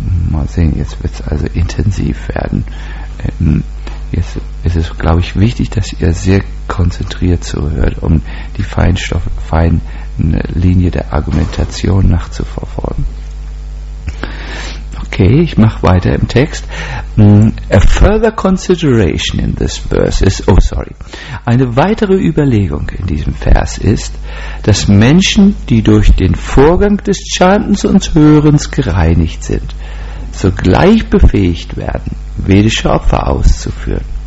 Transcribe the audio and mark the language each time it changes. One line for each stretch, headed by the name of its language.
German: Mal sehen, jetzt wird es also intensiv werden. Jetzt ist es, glaube ich, wichtig, dass ihr sehr konzentriert zuhört, um die feine Linie der Argumentation nachzuverfolgen. Okay, ich mache weiter im Text.
English: A further consideration in this verse is, oh sorry.
German: Eine weitere Überlegung in diesem Vers ist, dass Menschen, die durch den Vorgang des Chantens und Hörens gereinigt sind, sogleich befähigt werden, vedische Opfer auszuführen.